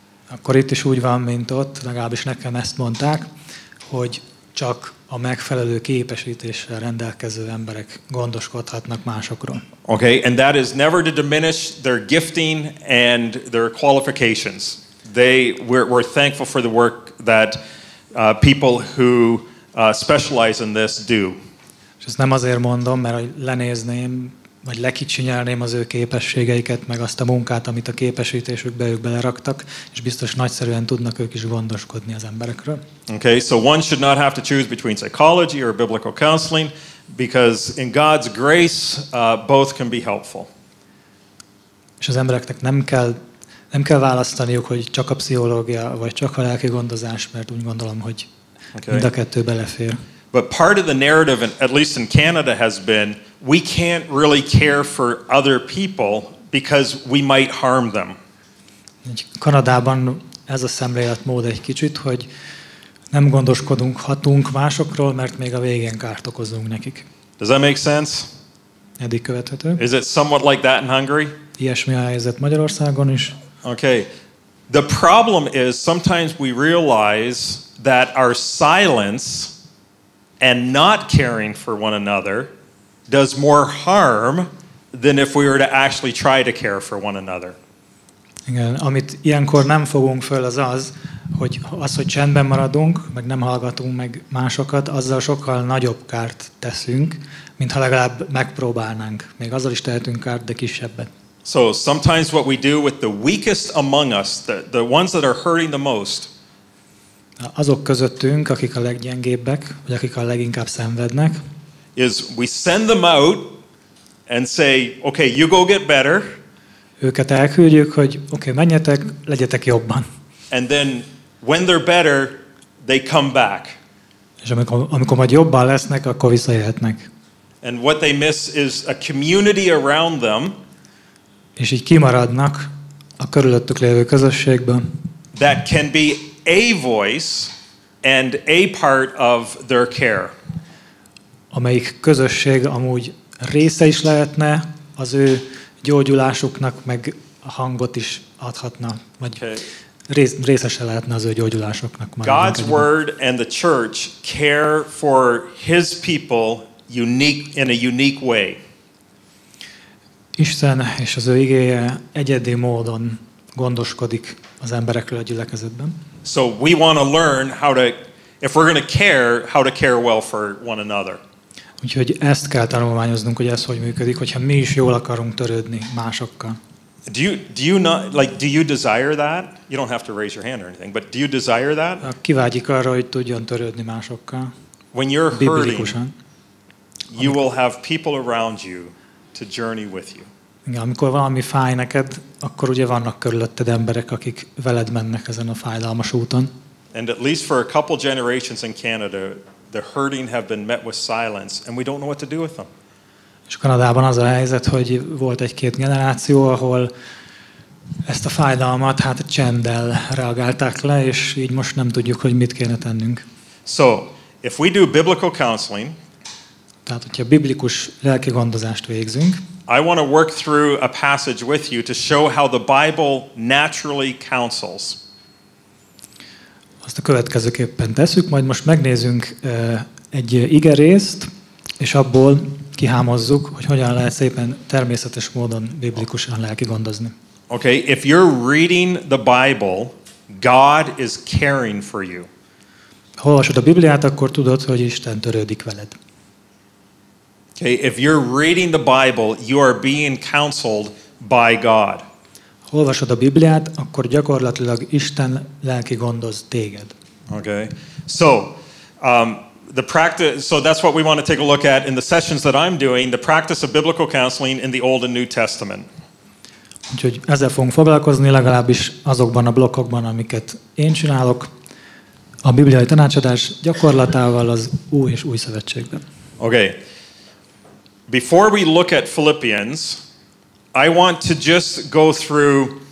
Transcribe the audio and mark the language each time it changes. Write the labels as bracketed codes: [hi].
[hu] Akkor itt is úgy van, mint ott, legalábbis nekem ezt mondták, hogy csak a megfelelő képesítéssel rendelkező emberek gondoskodhatnak másokról. [en] Okay, and that is never to diminish their gifting and their qualifications. We're thankful for the work that people who specialize in this do. [hu] És ezt nem azért mondom, mert lenézném, vagy lekicsinyelném az ő képességeiket, meg azt a munkát, amit a képesítésükbe ők beleraktak, és biztos nagyszerűen tudnak ők is gondoskodni az emberekről. [en] Okay, so one should not have to choose between psychology or biblical counseling, because in God's grace, both can be helpful. [hu] És az embereknek nem kell választaniuk, hogy csak a pszichológia, vagy csak a lelki gondozás, mert úgy gondolom, hogy okay, mind a kettő belefér. [en] But part of the narrative, at least in Canada, has been we can't really care for other people because we might harm them. [hu] Kanadában ez a szemléletmód egy kicsit, hogy nem gondoskodunk, hatunk másokról, mert még a végén kárt okozunk nekik. [en] Does that make sense? [hu] Eddig követhető. [en] Is it somewhat like that in Hungary? [hu] Ilyesmi a helyzet Magyarországon is. [en] Okay. The problem is sometimes we realize that our silence and not caring for one another does more harm than if we were to actually try to care for one another. [hu] Igen, amit ilyenkor nem fogunk föl az, hogy csendben maradunk, meg nem hallgatunk meg másokat, azzal sokkal nagyobb kárt teszünk, mint ha legalább megpróbálnánk. Még azzal is tehetünk kárt, de kisebbet. [en] So sometimes what we do with the weakest among us, the ones that are hurting the most, [hu] azok közöttünk, akik a leggyengébbek, vagy akik a leginkább szenvednek, [en] is we send them out and say, okay, you go get better. [hu] Őket elküldjük, hogy okay, menjetek, legyetek jobban. [en] And then when they're better, they come back. [hu] És amikor majd jobban lesznek, akkor visszajöhetnek. [en] And what they miss is a community around them. [hu] És így kimaradnak a körülöttük lévő közösségben. [en] That can be a voice and a part of their care. [hu] Amelyik közösség amúgy része is lehetne az ő gyógyulásuknak, meg hangot is adhatna, vagy részese lehetne az ő gyógyulásoknak. [en] God's word and the church care for his people unique in a unique way. [hu] Isten és az ő igéje egyedi módon gondoskodik az emberekről a gyülekezetben. [en] So we want to learn how to, if we're going to care, how to care well for one another. [hu] Úgyhogy ezt kell tanulmányoznunk, hogy ez hogy működik, hogyha mi is jól akarunk törődni másokkal. [en] Do you desire that? You don't have to raise your hand or anything, but do you desire that? [hu] Ki vágyik arra, hogy tudjon törődni másokkal? [en] When you're hurting, you will have people around you to journey with you. [hu] Igen, amikor valami fáj neked, akkor ugye vannak körülötted emberek, akik veled mennek ezen a fájdalmas úton. [en] And at least for a couple generations in Canada, the hurting have been met with silence, and we don't know what to do with them. [hu] És Kanadában az a helyzet, hogy volt egy-két generáció, ahol ezt a fájdalmat hát csenddel reagálták le, és így most nem tudjuk, hogy mit kéne tennünk. [en] So, if we do biblical counseling, [hu] tehát hogyha biblikus lelki gondozást végzünk, [en] I want to work through a passage with you to show how the Bible naturally counsels. [hu] Azt a következőképpen tesszük, majd most megnézünk egy igerészt, és abból kihámozzuk, hogy hogyan lehet szépen természetes módon biblikusan lelki gondozni. [en] Okay, if you're reading the Bible, God is caring for you. [hu] Ha olvasod a Bibliát, akkor tudod, hogy Isten törődik veled. [en] Okay, if you're reading the Bible, you are being counseled by God. [hu] Ha olvasod a Bibliát, akkor gyakorlatilag Isten lelki gondoz téged. [en] Okay. So, so that's what we want to take a look at in the sessions that I'm doing, the practice of biblical counseling in the Old and New Testament. [hu] Úgyhogy ezzel fogunk foglalkozni, legalábbis azokban a blokkokban, amiket én csinálok, a bibliai tanácsadás gyakorlatával az Új és Új Szövetségben. [en] Okay. Before we look at Philippians, I want to just go through